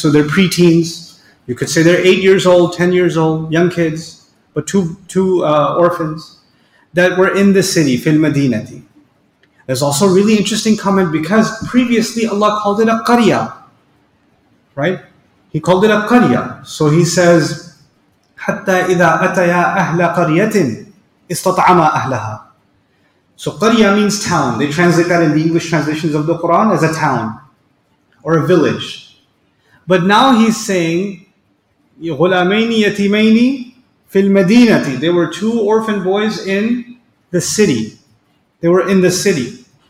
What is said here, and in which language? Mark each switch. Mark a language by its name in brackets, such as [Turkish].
[English] So they're preteens. You could say they're 8 years old, 10 years old, young kids, but two orphans that were in the city, [Arabic] في المدينة. [English] There's also a really interesting comment because previously Allah called it a قرية, right? He called it a قرية. So He says, [Arabic] حَتَّى إِذَا أَتَيَا أَهْلَ قَرْيَةٍ إِسْتَطْعَمَا أَهْلَهَا. [English] So قَرْيَة means town. They translate that in the English translations of the Quran as a town or a village. But now he's saying, [Arabic] غُلَامَيْنِ يَتِيمَيْنِ في المدينة. [English] There were two orphan boys in the city. They were in the city.